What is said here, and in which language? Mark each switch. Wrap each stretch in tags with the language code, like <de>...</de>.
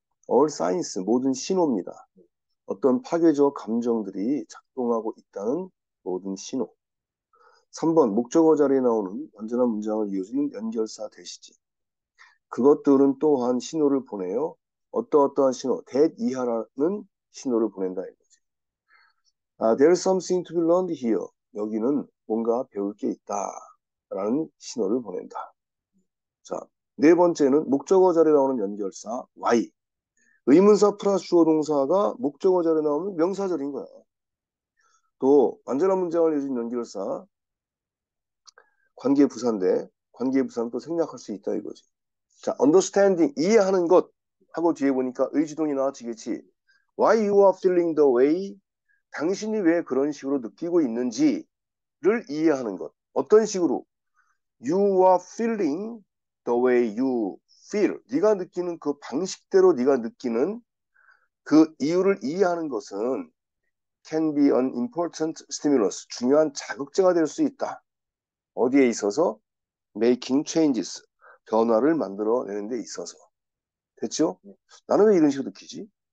<en>All signs,</en> <ko>모든 신호입니다. 어떤 파괴적 감정들이 작동하고 있다는 모든 신호. 3번, 목적어 자리에 나오는 완전한 문장을 이어주는 연결사 대시지. 그것들은 또한 신호를 보내요. 어떠어떠한 신호, that 이하라는 신호를 보낸다.</ko> <en>아, there's something to be learned here.</en> <ko>여기는 뭔가 배울 게 있다라는 신호를 보낸다. 자, 네 번째는 목적어 자리에 나오는 연결사 why. 의문사 플러스 주어 동사가 목적어 자리에 나오면 명사절인 거야. 또 완전한 문장을 이어준 연결사 관계 부사인데 관계 부사는 또 생략할 수 있다 이거지. 자, understanding 이해하는 것 하고 뒤에 보니까 의지동이 나왔지겠지.</ko> <en>Why you are feeling the way?</en> <ko>당신이 왜 그런 식으로 느끼고 있는지를 이해하는 것. 어떤 식으로?</ko> <en>You are feeling the way you feel.</en> <ko>네가 느끼는 그 방식대로 네가 느끼는 그 이유를 이해하는 것은</ko> <en>can be an important stimulus.</en> <ko>중요한 자극제가 될수 있다. 어디에 있어서?</ko> <en>Making changes.</en> <ko>변화를 만들어내는 데 있어서. 됐죠? 나는 왜 이런 식으로 느끼지?</ko>